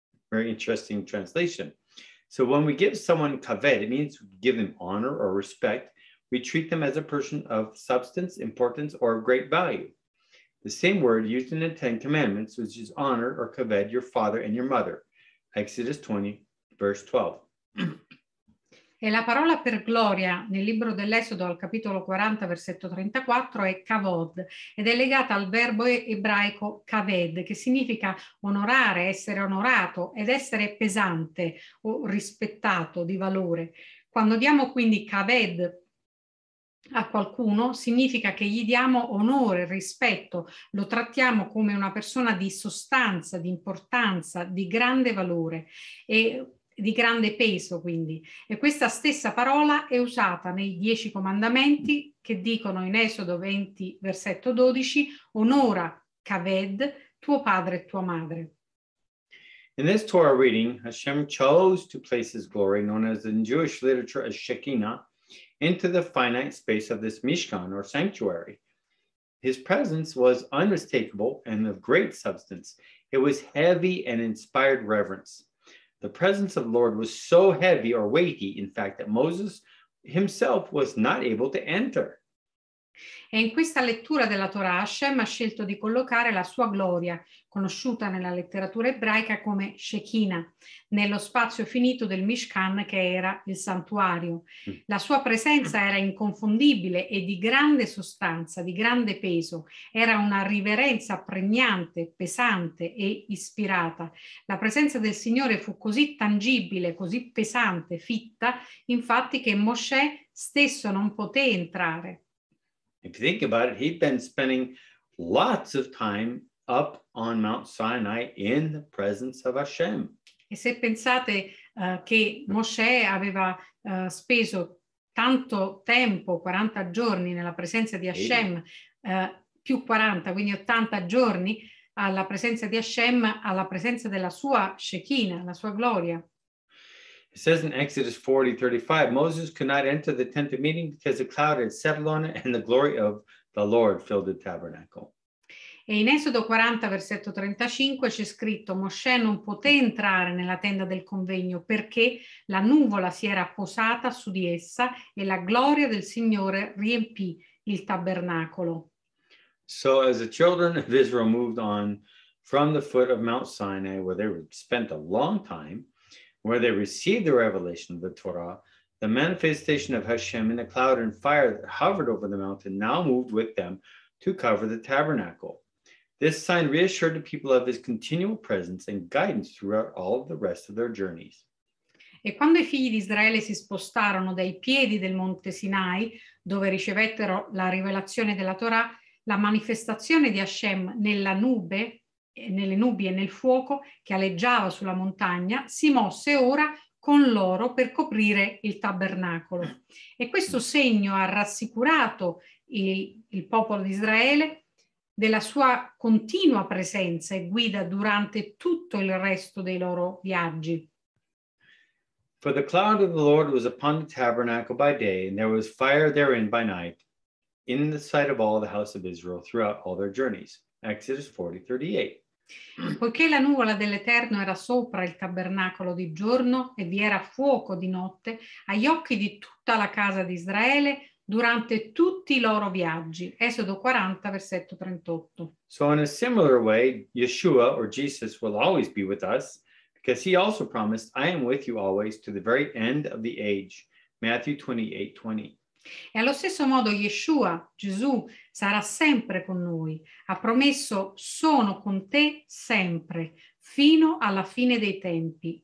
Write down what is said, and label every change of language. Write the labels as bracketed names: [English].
[English] Very interesting translation. So when we give someone kaved, it means give them honor or respect. We treat them as a person of substance, importance, or great value. The same word used in the Ten Commandments, which is honor or kaved, your father and your mother. Exodus 20, verse 12. [Italian] E la parola per gloria nel libro dell'Esodo al capitolo 40, versetto 34 è kavod ed è legata al verbo ebraico kaved, che significa onorare, essere onorato ed essere pesante o rispettato di valore. Quando diamo quindi kaved a qualcuno significa che gli diamo onore, rispetto, lo trattiamo come una persona di sostanza, di importanza, di grande valore e di grande peso, quindi. E questa stessa parola è usata nei 10 comandamenti che dicono in Esodo 20, versetto 12, onora, kaved, tuo padre e tua madre. [English] In this Torah reading, Hashem chose to place his glory, known as in Jewish literature as Shekinah, into the finite space of this Mishkan or sanctuary. His presence was unmistakable and of great substance. It was heavy and inspired reverence. The presence of the Lord was so heavy or weighty, in fact, that Moses himself was not able to enter. [Italian] E in questa lettura della Torah, Hashem ha scelto di collocare la sua gloria, conosciuta nella letteratura ebraica come Shekinah, nello spazio finito del Mishkan che era il santuario. La sua presenza era inconfondibile e di grande sostanza, di grande peso. Era una riverenza pregnante, pesante e ispirata. La presenza del Signore fu così tangibile, così pesante, fitta, infatti che Mosè stesso non poté entrare. [English] If you think about it, he'd been spending lots of time up on Mount Sinai in the presence of Hashem. [Italian] E se pensate che Mosè aveva speso tanto tempo, 40 giorni nella presenza di Hashem, più 40, quindi 80 giorni alla presenza di Hashem, alla presenza della sua Shekinah, la sua gloria. [English] It says in Exodus 40:35, Moses could not enter the tent of meeting because the cloud had settled on it and the glory of the Lord filled the tabernacle. [Italian] E in Esodo 40, versetto 35, c'è scritto, Mosè non poté entrare nella tenda del convegno perché la nuvola si era posata su di essa e la gloria del Signore riempì il tabernacolo. [English] So as the children of Israel moved on from the foot of Mount Sinai, where they spent a long time, where they received the revelation of the Torah, the manifestation of Hashem in the cloud and fire that hovered over the mountain now moved with them to cover the tabernacle. This sign reassured the people of his continual presence and guidance throughout all of the rest of their journeys. [Italian] E quando i figli di Israele si spostarono dai piedi del monte Sinai, dove ricevettero la rivelazione della Torah, la manifestazione di Hashem nella nube nelle nubi e nel fuoco che aleggiava sulla montagna, si mosse ora con loro per coprire il tabernacolo. E questo segno ha rassicurato il popolo di Israele della sua continua presenza e guida durante tutto il resto dei loro viaggi. [English] For the cloud of the Lord was upon the tabernacle by day, and there was fire therein by night, in the sight of all the house of Israel throughout all their journeys. Exodus 40:38. [Italian] Poiché la nuvola dell'Eterno era sopra il tabernacolo di giorno e vi era fuoco di notte, agli occhi di tutta la casa di Israele durante tutti i loro viaggi. Esodo 40, versetto 38. [English] So in a similar way, Yeshua, or Jesus, will always be with us, because he also promised, I am with you always to the very end of the age. Matthew 28, 20. [Italian] E allo stesso modo Yeshua, Gesù, sarà sempre con noi. Ha promesso, sono con te sempre, fino alla fine dei tempi.